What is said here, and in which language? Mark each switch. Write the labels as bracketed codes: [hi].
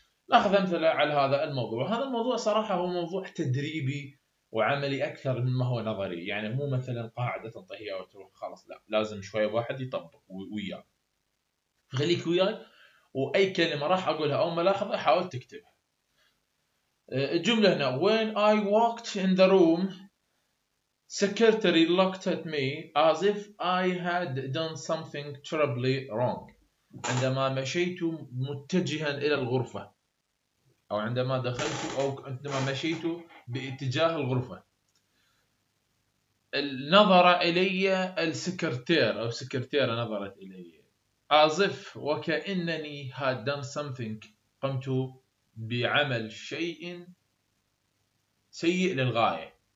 [ar] نأخذ مثلا على هذا الموضوع. هذا الموضوع صراحة هو موضوع تدريبي وعملي أكثر مما هو نظري، يعني مو مثلاً قاعدة تنطيها وتروح خلاص، لا لازم شوية واحد يطبق وياه، خليك وياه، وأي كلمة راح أقولها أو ملاحظة حاول تكتبها. [en] الجملة هنا: When I walked in the room, Secretary looked at me as if I had done something terribly wrong. [ar] عندما مشيت متجها إلى الغرفة، أو عندما دخلت، أو عندما مشيت باتجاه الغرفة، نظر إلي السكرتير أو سكرتيرة نظرت إلي [en] as if [ar] وكأنني [en] had done something، [ar] قمت بعمل شيء سيء للغاية.